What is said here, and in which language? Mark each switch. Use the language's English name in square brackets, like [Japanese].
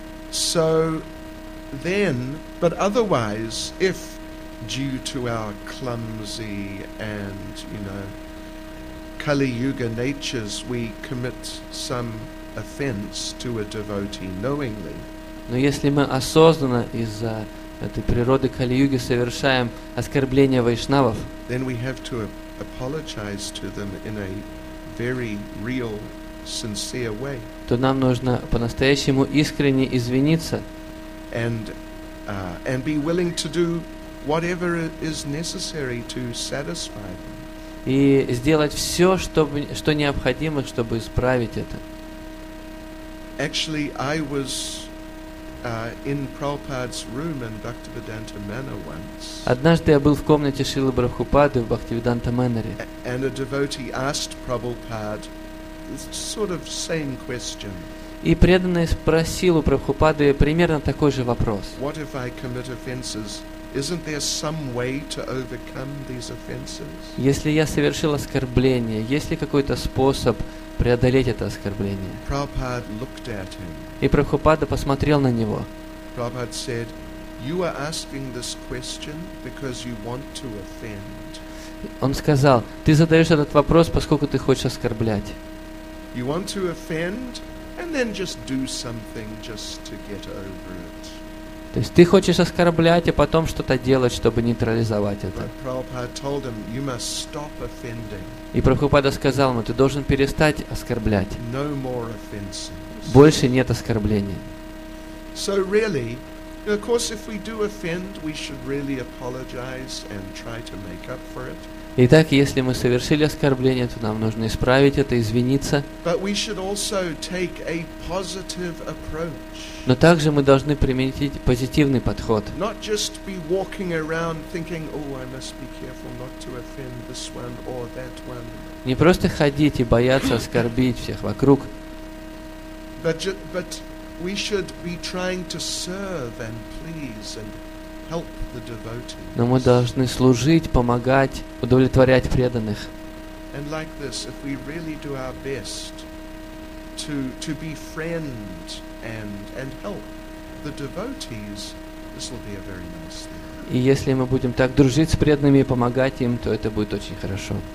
[English] So then, but otherwise, if due to our clumsy and, you know, Kali Yuga natures, we commit some offense to a devotee knowingly. [Russian] Но если мы осознанно из-за этой природы Кали-юги совершаем оскорбление вайшнавов, [English] then we have to apologize to them in a very real, sincere way. [Russian] То нам нужно по-настоящему искренне извиниться [English] and be willing to do whatever is necessary to satisfy them. [Russian] И сделать все, что необходимо, чтобы исправить это. [English] Actually, I was in Prabhupada's room in Bhaktivedanta Manor once. [Russian] Однажды я был в комнате Шрилы Прабхупады в Бхактивиданта Мэннере. [English] And a devotee asked Prabhupada sort of same question. [Russian] И преданный спросил у Прабхупады примерно такой же вопрос. [English] What if I commit offenses? Isn't there some way to overcome these offenses? [Russian] Если я совершил оскорбление, есть ли какой-то способ преодолеть это оскорбление? [English] Prabhupada looked at him. [Russian] И Прабхупада посмотрел на него. [English] Prabhupada said, "You are asking this question because you want to offend." [Russian] Он сказал: "Ты задаешь этот вопрос, поскольку ты хочешь оскорблять." [English] You want to offend, and then just do something just to get over it. [Russian] То есть ты хочешь оскорблять, а потом что-то делать, чтобы нейтрализовать это. [English] Him, [Russian] и Прабхупада сказал ему, ты должен перестать оскорблять. [English] No more offenses. [Russian] Больше нет оскорблений. [English] So really, of course, if we do offend, we should really apologize and try to make up for it. [Russian] Итак, если мы совершили оскорбление, то нам нужно исправить это, извиниться. [English] But we should also take a positive approach. [Russian] Но также мы должны применить позитивный подход. [English] Not just be walking around thinking, oh, I must be careful not to offend this one or that one. [Russian] Не просто ходить и бояться оскорбить всех вокруг. [English] But we should be trying to serve and please and help the devotees. [Russian] Но мы должны служить, помогать, удовлетворять преданных. [English] And like this, if we really do our best to befriend and help the devotees, this will be a very nice thing. [Russian] И если мы будем так дружить с преданными и помогать им, то это будет очень хорошо.